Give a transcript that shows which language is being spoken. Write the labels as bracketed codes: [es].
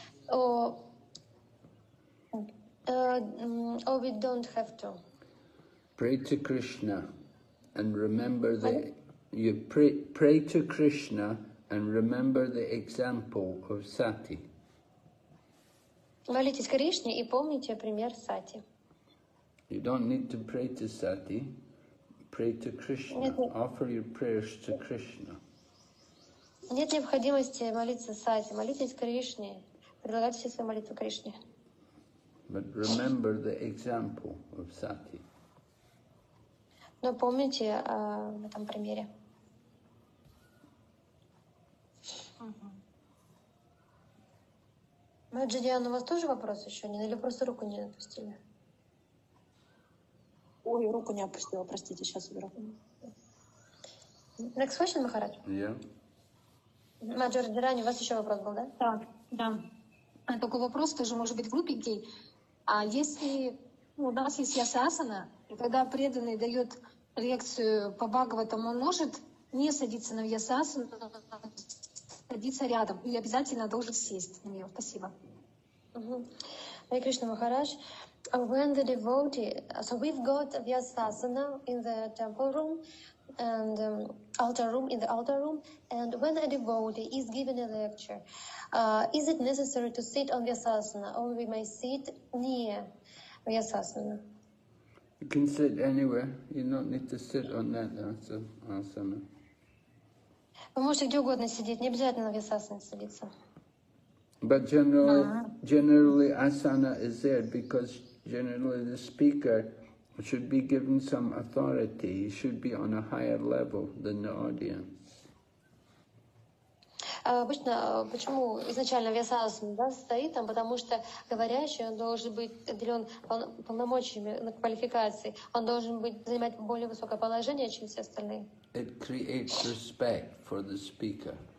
[en] Or we don't have to? Pray to Krishna and remember that you pray to Krishna and remember the example of Sati. [ru] Молитесь Кришне и помните пример Сати. [en] You don't need to pray to Sati. Pray to Krishna. [ru] Нет, [en] offer your prayers to Krishna. [ru] Нет необходимости молиться Сати. Молитесь Кришне. Предлагайте все свои молитвы Кришне. [en] But remember the example of Sati. [ru] Но помните в этом примере. Маджи Диана, у вас тоже вопрос еще? Или просто руку не отпустили? Ой, руку не опустила, простите, сейчас уберу. [en] Next question, Махарадж? Yeah. [ru] Маджи Радирани, у вас еще вопрос был, да? Да. Такой вопрос тоже может быть глупенький. А если у нас есть ясасана, и когда преданный дает лекцию по Бхагаватам, он может не садиться на ясасану, садиться рядом или обязательно должен сесть на нее. Спасибо. [en] Hare Krishna Maharaj, when the devotee, so we've got Vyasasana in the temple room and altar room, in the altar room, and when a devotee is giving a lecture, is it necessary to sit on Vyasasana or we may sit near Vyasasana? You can sit anywhere, you don't need to sit on that asana. [ru] Вы можете где угодно сидеть, не обязательно на Вьясасане садиться. [en] But generally asana is there because generally the speaker should be given some authority. He should be on a higher level than the audience. [ru] Обычно, почему изначально Вьясасана, да, стоит там? Потому что говорящий, он должен быть отделен полномочиями на квалификации. Он должен быть занимать более высокое положение, чем все остальные. [en] It creates respect for the speaker.